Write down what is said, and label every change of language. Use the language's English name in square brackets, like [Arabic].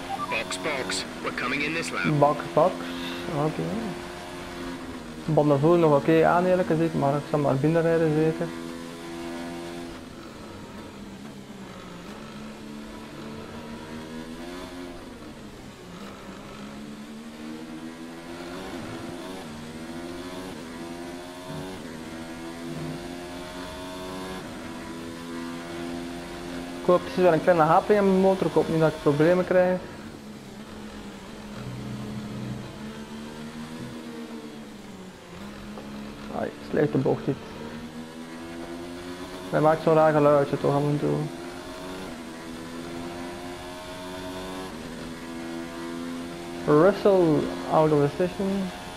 [English] Box, box, we're coming in this lap. Box, box, oké. Okay. [Dutch] Banden voelen nog oké aan eerlijk gezegd, maar ik zal maar binnenrijden zeker. Ik hoop precies wel een kleine haping aan mijn motor, ik hoop niet dat ik problemen krijg. Ai, slechte bocht dit. Hij maakt zo'n raar geluidje toch af en toe. [English] Russell out of the station.